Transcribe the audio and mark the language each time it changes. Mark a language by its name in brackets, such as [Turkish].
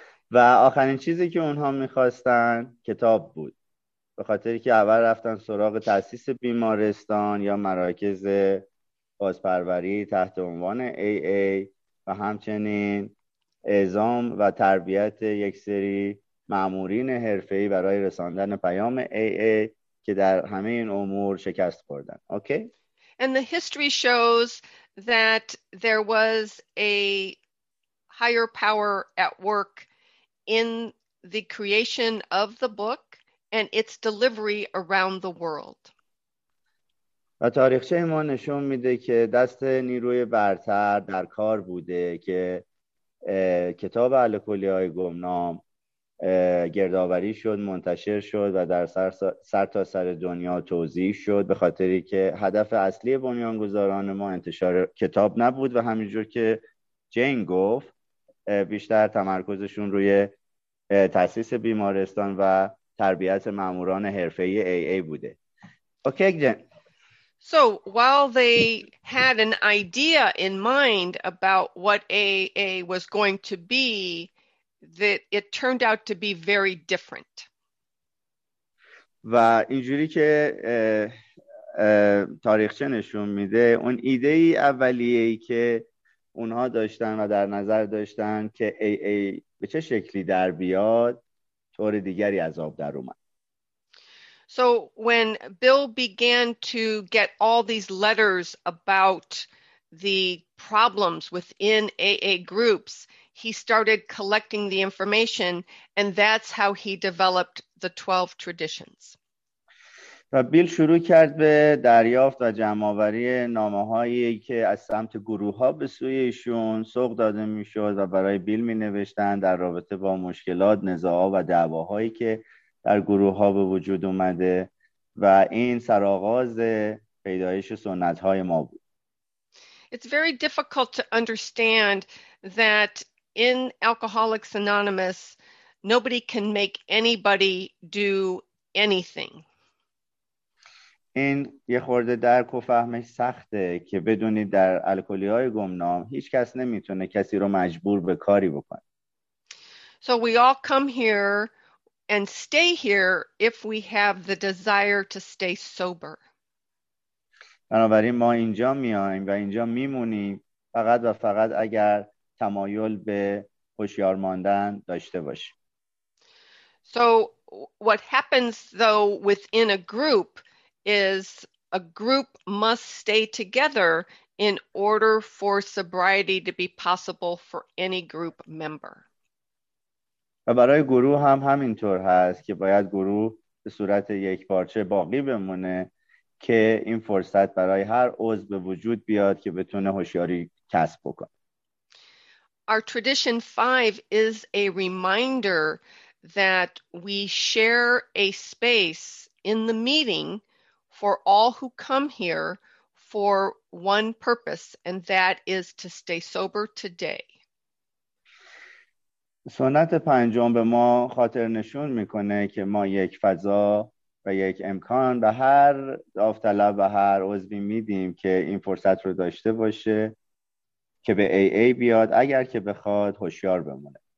[Persian] و آخرین چیزی که اونها میخواستن کتاب بود، به خاطری که اول رفتن سراغ تأسیس بیمارستان یا مراکز بازپروری تحت عنوان AA و همچنین اعزام و تربیت یک سری مأمورین حرفه‌ای برای رساندن پیام AA که در همه این امور شکست خوردن. [English] Okay? And the history shows that there was a higher power at work in the creation of the book and its delivery around the world. [Persian] و تاریخچه ما نشون میده که دست نیروی برتر در کار بوده که کتاب الکلی های گمنام گردآوری شد، منتشر شد و در سر تا سر دنیا توزیع شد، به خاطری که هدف اصلی بنیانگذاران ما انتشار کتاب نبود و همینجور که جین گفت بیشتر تمرکزشون روی تأسیس بیمارستان و تربیت ماموران حرفه‌ای AA بوده. [English] Okay Jane. So while they had an idea in mind about what AA was going to be, that it turned out to be very different. [Persian] و اینجوری که تاریخچه نشون میده اون ایده ای اولیه ای که اونها داشتن و در نظر داشتن که AA به چه شکلی در بیاد طور دیگری از آب در اومد. [English] So when Bill began to get all these letters about the problems within AA groups, he started collecting the information, and that's how he developed the 12 traditions. [Persian] و بیل شروع کرد به دریافت و جمع‌آوری نامه‌هایی که از سمت گروه‌ها به سوی ایشون سوق داده می‌شد و برای بیل می‌نوشتند در رابطه با مشکلات، نزاع‌ها و دعواهایی که در گروه ها به وجود اومده و این سرآغاز پیدایش سنت های ما بود. [English] It's very difficult to understand that in Alcoholics Anonymous nobody can make anybody do anything. [Persian] این یه خورده درک و فهمش سخته که بدونید در الکلی های گمنام هیچ کس نمیتونه کسی رو مجبور به کاری بکنه. [English] So we all come here and stay here if we have the desire to stay sober. [Persian] بنابراین ما اینجا میایم و اینجا میمونیم فقط و فقط اگر تمایل به هوشیار ماندن داشته باشیم. [English] So what happens though within a group is a group must stay together in order for sobriety to be possible for any group member. [Persian] و برای گروه هم همینطور هست که باید گروه به صورت یک پارچه باقی بمونه که این فرصت برای هر عضو به وجود بیاد که بتونه هوشیاری کسب بکنه. [English] Our tradition 5 is a reminder that we share a space in the meeting for all who come here for one purpose, and that is to stay sober today. [Persian] سنت پنجم به ما خاطر نشون میکنه که ما یک فضا و یک امکان به هر داوطلب و هر عضوی میدیم که این فرصت رو داشته باشه که به AA بیاد اگر که بخواد هوشیار بمونه.